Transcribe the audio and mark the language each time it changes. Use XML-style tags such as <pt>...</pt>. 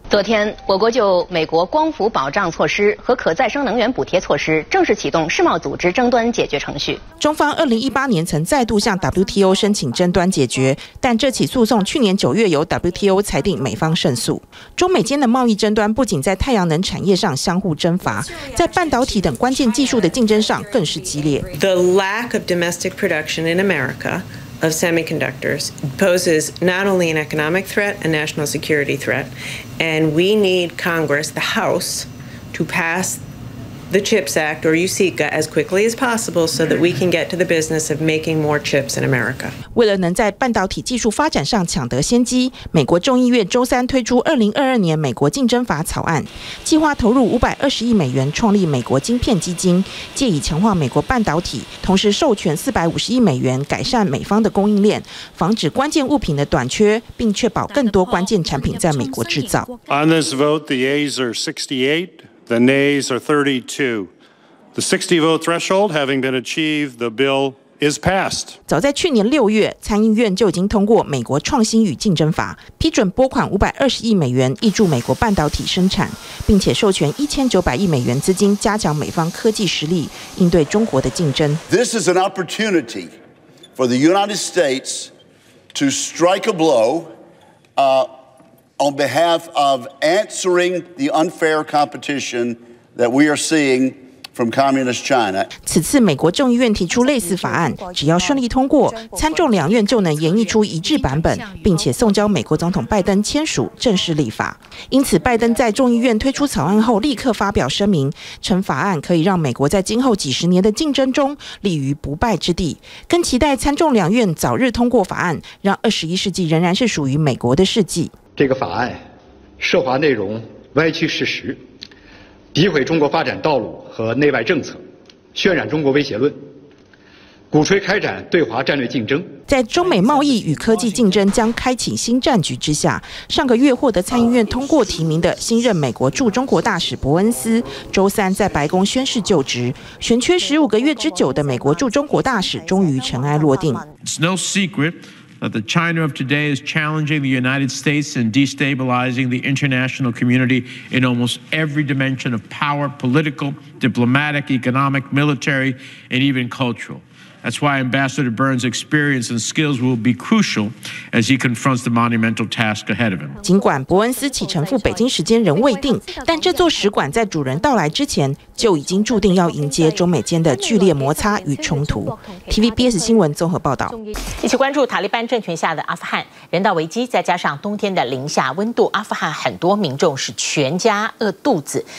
<zh>昨天，我国就美国光伏保障措施和可再生能源补贴措施正式启动世贸组织争端解决程序。中方2018年曾再度向 WTO 申请争端解决，但这起诉讼去年9月由 WTO 裁定美方胜诉。中美间的贸易争端不仅在太阳能产业上相互征伐，在半导体等关键技术的竞争上更是激烈。</zh> <en>The lack of domestic production in America of semiconductors poses not only an economic threat, a national security threat, and we need Congress, the House, to pass the CHIPS Act or USICA as quickly as possible so that we can get to the business of making more chips in America.</en> <zh>为了能在半导体技术发展上抢得先机，美国众议院周三推出2022年美国竞争法草案，计划投入520亿美元创立美国晶片基金，借以强化美国半导体，同时授权450亿美元改善美方的供应链，防止关键物品的短缺，并确保更多关键产品在美国制造。</zh> <en>On this vote, the A's are 68. The nays are 32. The 60 vote threshold having been achieved, the bill is passed.</en> <zh>早在去年6月，参议院就已经通过美国创新与竞争法，批准拨款520亿美元挹注美国半导体生产，并且授权1900亿美元资金加强美方科技实力，应对中国的竞争。</zh> <en>This is an opportunity for the United States to strike a blow, on behalf of answering the unfair competition that we are seeing from communist China.</en> <zh>此次美国众议院提出类似法案，只要顺利通过，参众两院就能研议出一致版本，并且送交美国总统拜登签署正式立法。因此，拜登在众议院推出草案后，立刻发表声明，称法案可以让美国在今后几十年的竞争中立于不败之地，更期待参众两院早日通过法案，让21世纪仍然是属于美国的世纪。这个法案涉华内容歪曲事实，诋毁中国发展道路和内外政策，渲染中国威胁论，鼓吹开展对华战略竞争。在中美贸易与科技竞争将开启新战局之下，上个月获得参议院通过提名的新任美国驻中国大使伯恩斯周三在白宫宣誓就职，悬缺15个月之久的美国驻中国大使终于尘埃落定。</zh> <en>It's no secret. The China of today is challenging the United States and destabilizing the international community in almost every dimension of power, political, diplomatic, economic, military, and even cultural. That's why Ambassador Burns' experience and skills will be crucial as he confronts the monumental task ahead of him.</en> <zh>尽管伯恩斯启程赴北京时间仍未定，但这座使馆在主人到来之前就已经注定要迎接中美间的剧烈摩擦与冲突。 TVBS 新闻综合报道。一起关注塔利班政权下的阿富汗人道危机，再加上冬天的零下温度，阿富汗很多民众是全家饿肚子。</zh>